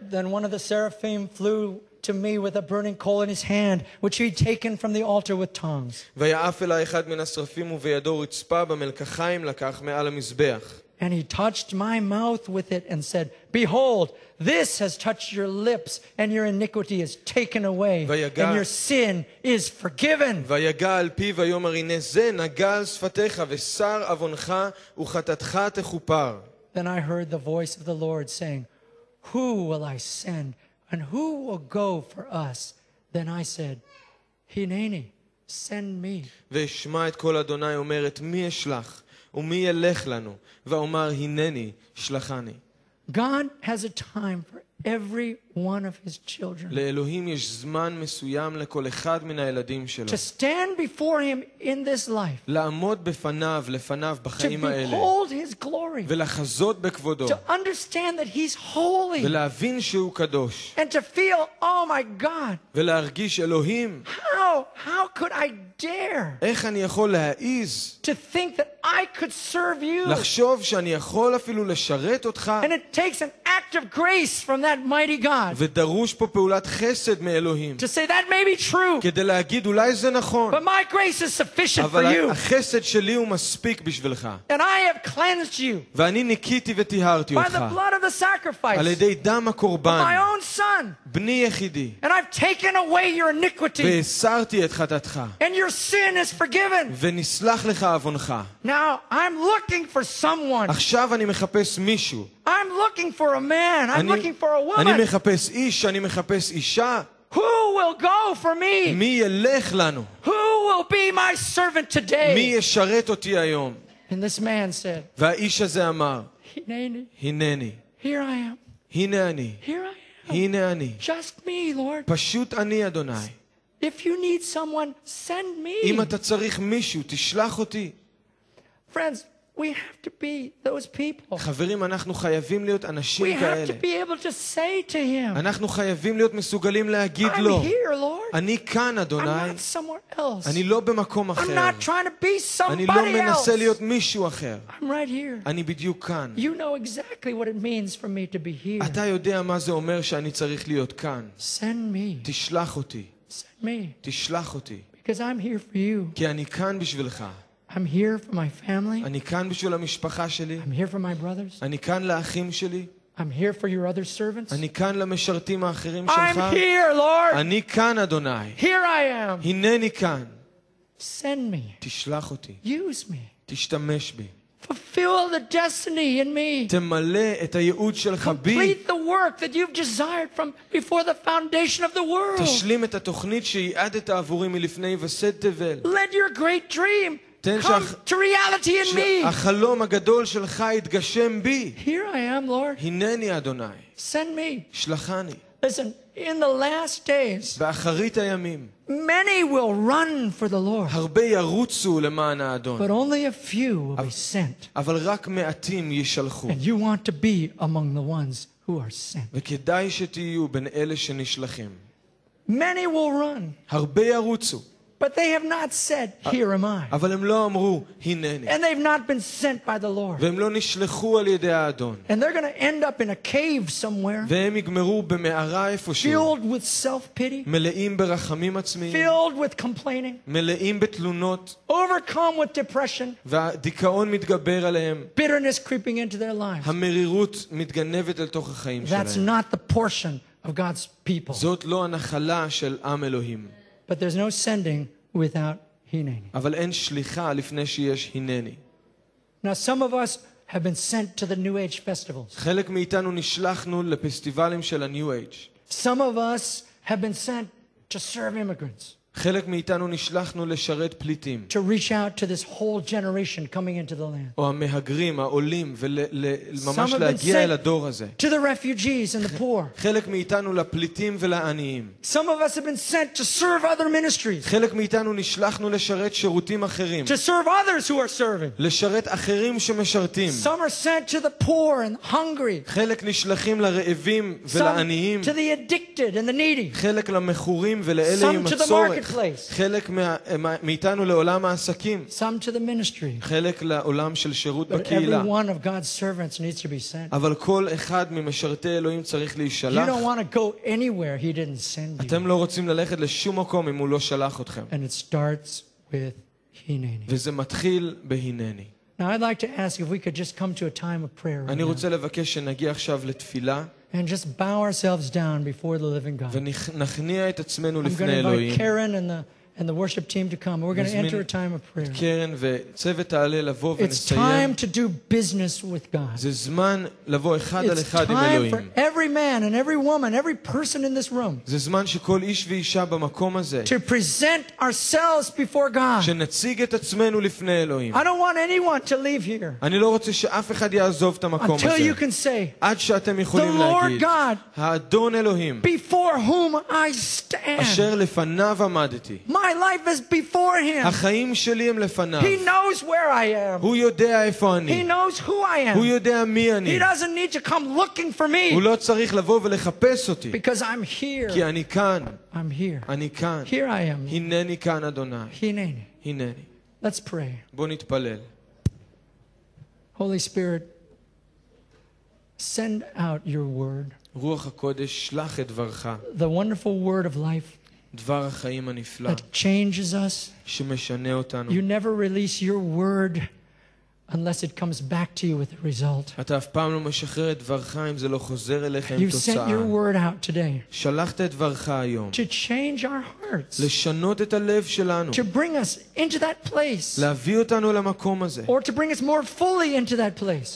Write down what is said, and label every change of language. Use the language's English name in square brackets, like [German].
[English] Then one of the seraphim flew to me with a burning coal in his hand which he had taken from the altar with tongs. [Hebrew] ויעף אלי אחד מן השרפים ובידו רצפה במלקחיים לקח מעל המזבח. [English] And he touched my mouth with it and said, Behold, this has touched your lips and your iniquity is taken away and your sin is forgiven. [Hebrew] ויגע על פיו ויאמר הנה זה נגע על שפתיך ושר עוונך וחטאתך תכופר. [English] Then I heard the voice of the Lord saying, Who will I send? And who will go for us? Then I said, Hineni, send me. [Hebrew] ואשמע את קול אדוני אומר, את מי אשלח? ומי ילך לנו ואומר הנני שלחני. [English] God has a time for every one of his children. [Hebrew] לאלוהים יש זמן מסוים לכל אחד מן הילדים שלו. [English] To stand before him in this life. [Hebrew] לעמוד בפניו, לפניו בחיים האלה. [English] To behold his glory. [Hebrew] ולחזות בכבודו. [English] To understand that he's holy. [Hebrew] ולהבין שהוא קדוש. [English] And to feel, oh my God. [Hebrew] ולהרגיש אלוהים. [English] How could I dare? [Hebrew] איך אני יכול להעיז? [English] To think that I could serve you. [Hebrew] לחשוב שאני יכול אפילו לשרת אותך. [English] And it takes an act of grace from that mighty God. [Hebrew] ודרוש פה פעולת חסד מאלוהים. [English] To say that may be true. [Hebrew] כדי להגיד אולי זה נכון. [English] But my grace is sufficient for you. [Hebrew] אבל החסד שלי הוא מספיק בשבילך. [English] And I have cleansed you. [Hebrew] ואני ניקיתי וטיהרתי אותך. [English] By the blood of the sacrifice. [Hebrew] על ידי דם הקורבן. [English] My own son. [Hebrew] בני יחידי. [English] And I've taken away your iniquity. [Hebrew] והסרתי את חטאתך. [English] And your sin is forgiven. [Hebrew] ונסלח לך עוונך. [English] Now I'm looking for someone. [Hebrew] עכשיו אני מחפש מישהו. [English] I'm looking for a man. I'm looking for a woman. [Hebrew] אני מחפש איש, אני מחפש אישה. [English] Who will go for me? [Hebrew] מי ילך לנו? [English] Who will be my servant today? [Hebrew] מי ישרת אותי היום? [English] And this man said. [Hebrew] והאיש הזה אמר. הנני. [English] Here I am. [Hebrew] הנה אני. [English] Here I am. [Hebrew] הנה אני. [English] Just me, Lord. [Hebrew] פשוט אני, אדוני. [English] If you need someone, send me. [Hebrew] אם אתה צריך מישהו, תשלח אותי. [English] Friends, we have to be those people. [Hebrew] חברים, אנחנו חייבים להיות אנשים כאלה. [English] We have to be able to say to him. [Hebrew] אנחנו חייבים להיות מסוגלים להגיד לו. [English] I'm here, Lord. [Hebrew] אני כאן, אדוני. [English] I'm not somewhere else. [Hebrew] אני לא במקום אחר. [English] I'm not trying to be somebody else. [Hebrew] אני לא מנסה להיות מישהו אחר. [English] I'm right here. [Hebrew] אני בדיוק כאן. [English] You know exactly what it means for me to be here. [Hebrew] אתה יודע מה זה אומר שאני צריך להיות כאן. [English] Send me. [Hebrew] תשלח אותי. [English] Send me. [Hebrew] תשלח אותי. [English] Because I'm here for you. [Hebrew] כי אני כאן בשבילך. [English] I'm here for my family. [Hebrew] אני כאן בשביל המשפחה שלי. [English] I'm here for my brothers. [Hebrew] אני כאן לאחים שלי. [English] I'm here for your other servants. [Hebrew] אני כאן למשרתים האחרים שלך. [English] I'm here, Lord. [Hebrew] אני כאן, אדוני. [English] Here I am. [Hebrew] הנני כאן. [English] Send me. [Hebrew] תשלח אותי. [English] Use me. [Hebrew] תשתמש בי. [English] Fulfill the destiny in me. [Hebrew] תמלא את הייעוד שלך בי. [English] Complete the work that you've desired from before the foundation of the world. [Hebrew] תשלים את התוכנית שיעדת עבורי מלפני וסד תבל. [English] Let your great dream come to reality in me. [Hebrew] החלום הגדול שלך יתגשם בי. [English] Here I am, Lord. [Hebrew] הנני אדוני. [English] Send me. [Hebrew] שלחני. [English] Listen, in the last days. [Hebrew] באחרית הימים. [English] Many will run for the Lord. [Hebrew] הרבה ירוצו למען האדון. [English] But only a few will be sent. [Hebrew] אבל רק מעטים ישלחו. [English] And you want to be among the ones who are sent. [Hebrew] וכדאי שתהיו בין אלה שנשלחים. [English] Many will run. [Hebrew] הרבה ירוצו. [English] But they have not said, "Here am I." [Hebrew] אבל הם לא אמרו, "הנני." [English] And they've not been sent by the Lord. [Hebrew] והם לא נשלחו על ידי האדון. [English] And they're going to end up in a cave somewhere. [Hebrew] והם יגמרו במערה איפשהו. [English] Filled with self-pity. [Hebrew] מלאים ברחמים עצמיים. [English] Filled with complaining. [Hebrew] מלאים בתלונות. [English] Overcome with depression. [Hebrew] והדיכאון מתגבר עליהם. [English] Bitterness creeping into their lives. [Hebrew] המרירות מתגנבת אל תוך החיים שלהם. [English] That's not the portion of God's people. [Hebrew] זאת לא הנחלה של עם אלוהים. [English] But there's no sending without hineni. [Hebrew] אבל אין שליחה לפני שיש הנני. [English] Now some of us have been sent to the New Age festivals. [Hebrew] חלק מאיתנו נשלחנו לפסטיבלים של ה-New Age. [English] Some of us have been sent to serve immigrants. [Hebrew] חלק מאיתנו נשלחנו לשרת פליטים. [English] To reach out to this whole generation coming into the land. [Hebrew] או המהגרים, העולים, וממש להגיע אל הדור הזה. [English] To the refugees and the poor. [Hebrew] חלק מאיתנו לפליטים ולעניים. [English] Some of us have been sent to serve other ministries. [Hebrew] חלק מאיתנו נשלחנו לשרת שירותים אחרים. [English] To serve others who are serving. [Hebrew] לשרת אחרים שמשרתים. [English] Some are sent to the poor and hungry. [Hebrew] חלק נשלחים לרעבים ולעניים. [English] To the addicted and the needy. [Hebrew] חלק למכורים ולאלה עם הצורך. חלק מאיתנו לעולם העסקים. [English] Some to the ministry. [Hebrew] חלק לעולם של שירות בקהילה. [English] Every one of God's servants needs to be sent. [Hebrew] אבל כל אחד ממשרתי אלוהים צריך להישלח. [English] You don't want to go anywhere he didn't send you. [Hebrew] אתם לא רוצים ללכת לשום מקום אם הוא לא שלח אתכם. [English] And it starts with hineni. [Hebrew] וזה מתחיל בהנני. [English] Now I'd like to ask if we could just come to a time of prayer. [Hebrew] אני רוצה לבקש שנגיע עכשיו לתפילה. [English] And just bow ourselves down before the living God. [Hebrew] ונכניע את עצמנו לפני אלוהים. [English] I'm going to invite Karen and the and the worship team to come. We're going to enter a time of prayer. [Hebrew] קרן וצוות תעלה לבוא ונסיים. [English] It's time to do business with God. [Hebrew] זה זמן לבוא אחד על אחד עם אלוהים. [English] It's time for every man and every woman, every person in this room. [Hebrew] זה זמן שכל איש ואישה במקום הזה. [English] To present ourselves before God. [Hebrew] שנציג את עצמנו לפני אלוהים. [English] I don't want anyone to leave here. [Hebrew] אני לא רוצה שאף אחד יעזוב את המקום הזה. [English] Until you can say, [Hebrew] עד שאתם יכולים להגיד, [English] the Lord God, [Hebrew] האדון אלוהים, [English] before whom I stand. [Hebrew] אשר לפניו עמדתי. [English] My life is before him. [Hebrew] החיים שלי הם לפניו. [English] He knows where I am. [Hebrew] הוא יודע איפה אני. [English] He knows who I am. [Hebrew] הוא יודע מי אני. [English] He doesn't need to come looking for me. [Hebrew] הוא לא צריך לבוא ולחפש אותי. [English] Because I'm here. [Hebrew] כי אני כאן. [English] I'm here. [Hebrew] אני כאן. [English] Here I am. [Hebrew] הנני כאן, אדוני. הנני. [English] Let's pray. [Hebrew] בוא נתפלל. [English] Holy Spirit, send out your word. [Hebrew] רוח הקודש, שלח את דברך. [English] The wonderful word of life. [Hebrew] דבר החיים הנפלא [English] that changes us. [Hebrew] שמשנה אותנו. [English] You never release your word unless it comes back to you with a result. [Hebrew] אתה אף פעם לא משחרר את דברך אם זה לא חוזר אליך עם תוצאה. [English] You sent your word out today. [Hebrew] שלחת את דברך היום. [English] To change our hearts. [Hebrew] לשנות את הלב שלנו. [English] To bring us into that place. [Hebrew] להביא אותנו למקום הזה. [English] Or to bring us more fully into that place.